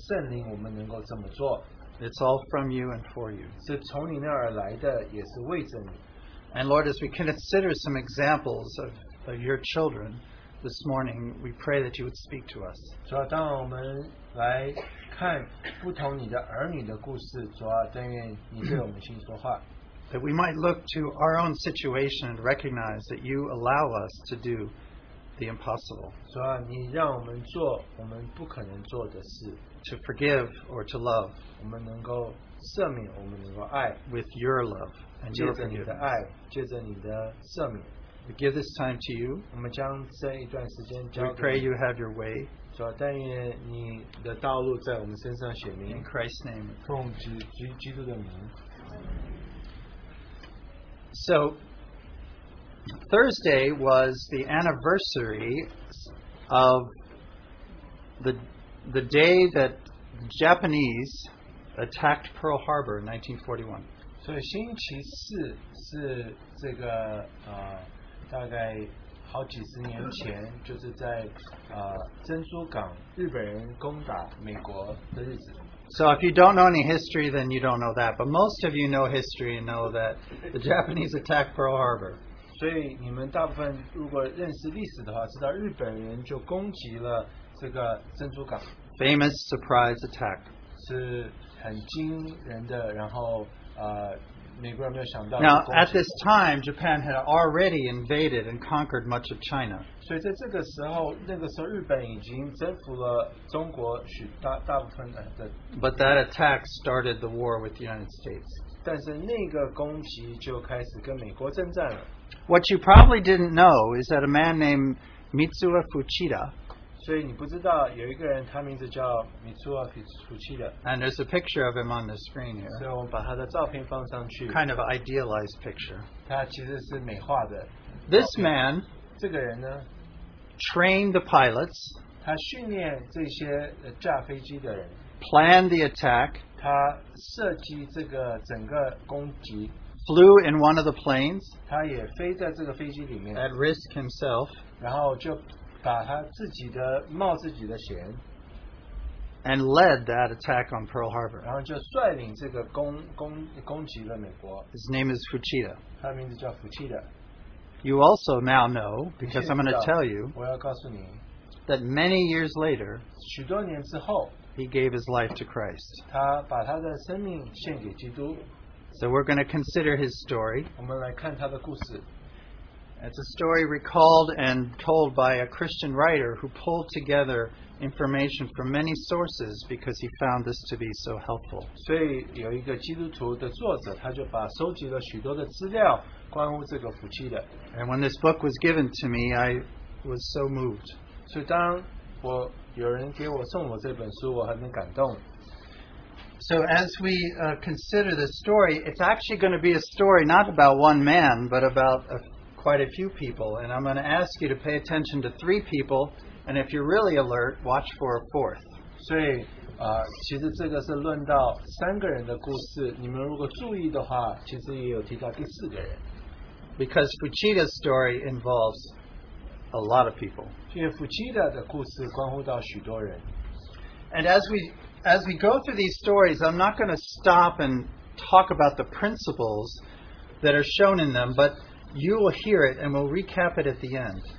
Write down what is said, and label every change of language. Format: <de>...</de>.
<zh>主啊，我们也说，借着你的圣灵，我们能够这么做。</zh> <en>It's all from you and for you.</en> <zh>是从你那儿来的，也是为着你。</zh> <en>And Lord, as we consider some examples of your children this morning, we pray that you would speak to us.</en> <zh>主啊，当我们来看不同你的儿女的故事，主啊，但愿你对我们心说话。</zh> <en>That we might look to our own situation and recognize that you allow us to do the impossible.</en> <zh>主啊，你让我们做我们不可能做的事。</zh> <en>To forgive or to love.</en> <zh>我们能够赦免我们的爱</zh> <en>with your love and your forgiveness.</en> <zh>借着你的爱，借着你的赦免。</zh> <en>We give this time to you.</en> <zh>我们将这一段时间交给你。</zh> <en>We pray you have your way.</en> <zh>主啊，但愿你的道路在我们身上显明。</zh> <en>In Christ's name,</en> <zh>奉基督的名。</zh> <en>So, Thursday was the anniversary of the day that Japanese attacked Pearl Harbor in 1941.</en> <zh>So, 星期四是这个大概好几十年前，就是在珍珠港日本人攻打美国的日子。</zh> <en>So if you don't know any history, then you don't know that. But most of you know history and know that the Japanese attacked Pearl Harbor.</en> <zh>所以你们大部分如果认识历史的话，知道日本人就攻击了这个珍珠港。</zh> <en>Famous surprise attack.</en> <zh>是很惊人的，然后美国人没有想到。</zh> <en>Now at this time, Japan had already invaded and conquered much of China.</en> <zh>所以在这个时候，那个时候日本已经征服了中国许大部分的。</zh> <en>But that attack started the war with the United States.</en> <zh>但是那个攻击就开始跟美国征战了。</zh> <en>What you probably didn't know is that a man named Mitsuo Fuchida.</en> <zh>所以你不知道有一个人，他名字叫 Mitsuo Fuchida.</zh> <en>And there's a picture of him on the screen here.</en> <zh>所以我们把他的照片放上去。</zh> <en>Kind of an idealized picture.</en> <zh>他其实是美化的。</zh> <en>This man.</en> <zh>这个人呢？</zh> <en>Trained the pilots.</en> <zh>他训练这些驾飞机的人。</zh> <en>Planned the attack.</en> <zh>他设计这个整个攻击。</zh> <en>Flew in one of the planes.</en> <zh>他也飞在这个飞机里面。</zh> <en>At risk himself.</en> <zh>然后就把他自己的冒自己的险。</zh> <en>And led that attack on Pearl Harbor.</en> <zh>然后就率领这个攻击了美国。</zh> <en>His name is Fuchida.</en> <zh>他名字叫 Fuchida.</zh> <en>You also now know, because I'm going to tell you,</en> <zh>我要告诉你,</zh> <en>that many years later,</en> <zh>许多年之后,</zh> <en>he gave his life to Christ.</en> <zh>他把他的生命献给基督。</zh> <en>So we're going to consider his story.</en> <zh>我们来看他的故事。</zh> <en>It's a story recalled and told by a Christian writer who pulled together information from many sources because he found this to be so helpful.</en> <zh>所以有一个基督徒的作者，他就把收集了许多的资料关于这个福气的。</zh> <en>And when this book was given to me, I was so moved.</en> <zh>所以当我有人给我送我这本书，我很感动。</zh> <en>So as we consider the story, it's actually going to be a story not about one man, but about quite a few people. And I'm going to ask you to pay attention to three people, and if you're really alert, watch for a fourth.</en> <zh>所以其实这个是论到三个人的故事，你们如果注意的话，其实也有提到第四个人。</zh> <en>Because Fuchida's story involves a lot of people.</en> <zh>因为 Fuchida 的故事关乎到许多人。</zh> <en>And as we go through these stories, I'm not going to stop and talk about the principles that are shown in them, but you will hear it and we'll recap it at the end.</en>